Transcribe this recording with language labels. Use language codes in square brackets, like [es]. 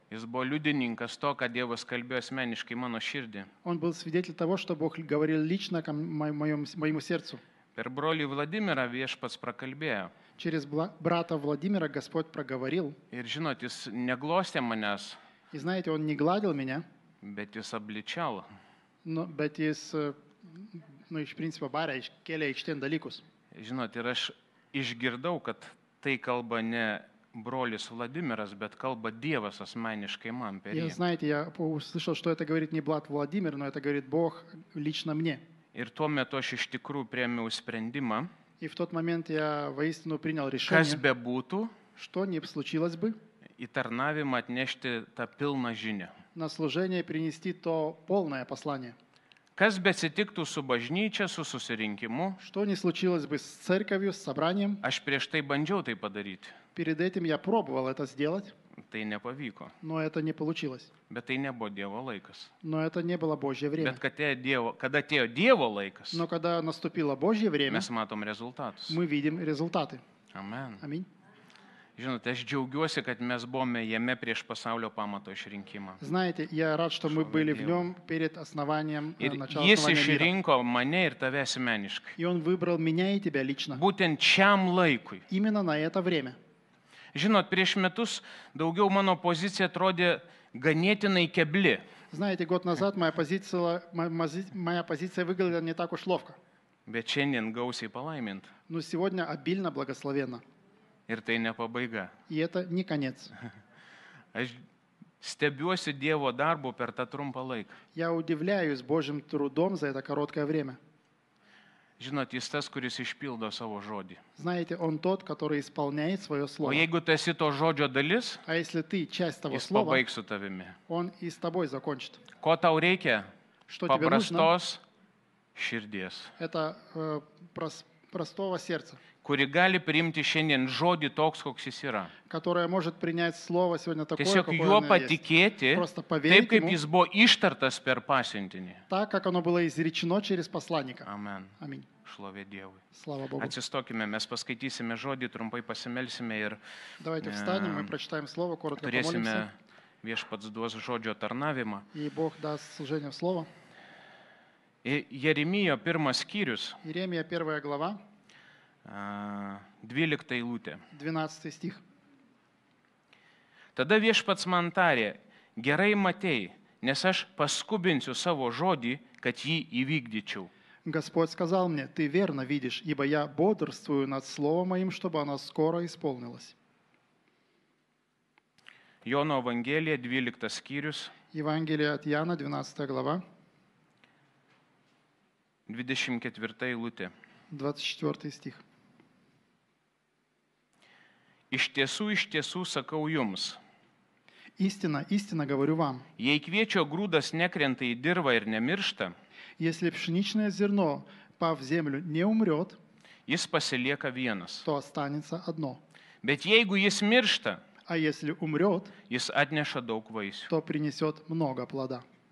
[lt] Jis buvo liudininkas to, kad Dievas kalbėjo asmeniškai mano širdį. [ru] Он был свидетель того, что Бог говорил лично к моему сердцу. [lt] Per brolį Владимира Viešpats prakalbėjo. [ru] Через брата Владимира Господь проговорил. [lt] Ir žinot, jis neglostė manęs. [ru] И знаете, он не гладил меня. [lt] Bet jis [ru] обличал. Но, bet jis, ну, iš principo barė, iškėlė aikštėn dalykus. [lt] Žinot, ir aš išgirdau, kad tai kalba ne brolis Владимирас, bet kalba Dievas asmeniškai man per jį. [ru] И знаете, я услышал, что это говорит не брат Владимир, но это говорит Бог лично мне. [lt] Ir tuo metu aš iš tikrųjų priėmiau sprendimą. [ru] И в тот момент я воистину принял решение. [lt] Kas be būtų, [ru] что не случилось бы, [lt] į tarnavimą atnešti tą pilną žinią. [ru] На служение принести то полное послание. [lt] Kas be atsitiktų su bažnyčia, su susirinkimu, [ru] что не случилось бы с церковью, с собранием. [lt] Aš prieš tai bandžiau tai padaryti. [ru] Перед этим я пробовал это сделать. [lt] Tai nepavyko. [ru] Но это не получилось. [lt] Bet tai nebuvo Dievo laikas. [ru] Но это не было Божье время. [lt] Bet kada atėjo Dievo laikas. [ru] Но когда наступило Божье время. [lt] Mes matom rezultatus. [ru] Мы видим результаты. [lt] Amen. [ru] Amen. [lt] Žinote, aš džiaugiuosi, kad mes buvome jame prieš pasaulio pamato išrinkimą. [ru] Знаете, я рад, что мы были в нем перед основанием начала. [lt] Jis išrinko mane ir tave asmeniškai. [ru] И он выбрал меня и тебя лично. [lt] Būtent šiam laikui. [ru] Именно на это время. [lt] Žinot, prieš metus daugiau mano pozicija atrodė ganėtinai kebli. [ru] Знаете, год назад моя позиция выглядела не так уж ловко. [lt] Bet šiandien gausiai palaimint. [ru] Но сегодня обильно благословенно. [lt] Ir tai ne pabaiga. [ru] И это не конец. [lt] Aš stebiuosi Dievo darbu per tą trumpą laiką. [ru] Я удивляюсь Божьим трудом за это короткое время. [lt] Žinot, jis tas, kuris išpildo savo žodį. [ru] Знаете, он тот, который исполняет своё слово. [lt] O jeigu tu esi to žodžio dalis, [ru] а если ты часть того [lt] jis [ru] слова, [lt] pabaigs su tavimi. [ru] Он и с тобой закончит. [lt] Ko tau reikia? [ru] Что [lt] Paprastos [ru] тебе нужно? [lt] Širdies. [ru] Это простого сердца. [lt] Kuri gali priimti šiandien žodį toks, koks jis yra. [ru] Которая может принять слово сегодня такое, [lt] Tiesiog [ru] какое [lt] juo patikėti, [ru] просто поверить [lt] taip, kaip jis buvo ištartas per пасентинį. [ru] Так, как оно было изречено через посланника. [lt] Amen. [ru] Amen. [lt] Šlovė Dievui. [ru] Слава Богу. [lt] Atsistokime, мы поскатисимся жоди, трумпой посимелсимся и... [ru] Давайте встанем, мы прочитаем слово, коротко помолимся. [lt] Viešpats duos žodžio tarnavimą. [ru] И Бог даст служение в слово. [lt] Jeremijo pirmas skyrius. [ru] Jeremija pirmoji глава. [lt] 12 eilutė. [ru] 12 stih. [lt] Tada viešpats man tarė, gerai matei, nes aš paskubinsiu savo žodį, kad jį įvykdyčiau. [ru] Господь сказал мне, ты верно видишь, ибо я бодрствую над словом моим, чтобы оно скоро исполнилось. [lt] Jono Evangelija, 12 skyrius. [ru] Евангелие от Иоанна, 12 глава. [lt] 24 eilutė. [ru] 24 стих. [lt] Iš tiesų sakau jums. [ru] Истина, истина говорю вам. [lt] Jei kviečio grūdas nekrenta į dirvą ir nemiršta, [ru] если пшеничное зерно по в землю не умрёт, [lt] jis pasilieka vienas. [ru] То останется одно. [lt] Bet jeigu jis miršta, [ru] а если умрёт, [lt] jis atneša daug vaisių. [ru] То принесёт много плода.